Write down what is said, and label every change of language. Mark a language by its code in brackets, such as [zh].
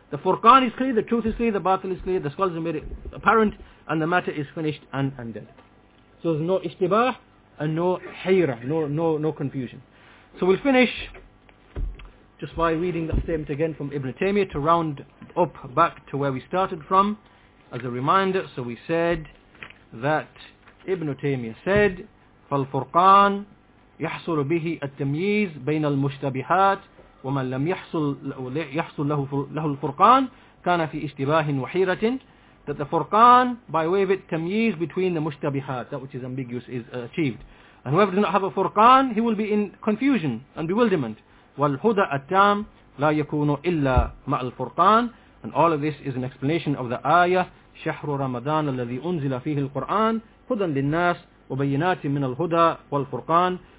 [en] The Furqan is clear, the truth is clear, the batil is clear, the scholars have made it apparent, and the matter is finished and dead. So there's no ishtibah and no hayra, no confusion. So we'll finish just by reading that statement again from Ibn Taymiyyah to round up back to where we started from. As a reminder, so we said that Ibn Taymiyyah said, [ar] فالفرقان يحصل به التمييز بين المشتبهات ومن لم يحصل له الفرقان كان في اشتباه وحيرة. [en] That the Furqan, by way of it, tamyiz between the mushtabihat, that which is ambiguous, is achieved. And whoever does not have a Furqan, he will be in confusion and bewilderment. [ar] وَالْهُدَىٰ التَّامْ لَا يَكُونُ إِلَّا مَعَ الْفُرْقَانِ. [en] And all of this is an explanation of the ayah, [ar] شَحْرُ رَمَضَانَ الَّذِي أُنزِلَ فِيهِ الْقُرْآنِ هُدًا لِلنَّاسِ وَبَيِّنَاتٍ مِّنَ الْهُدَىٰ وَالْفُرْقَانِ.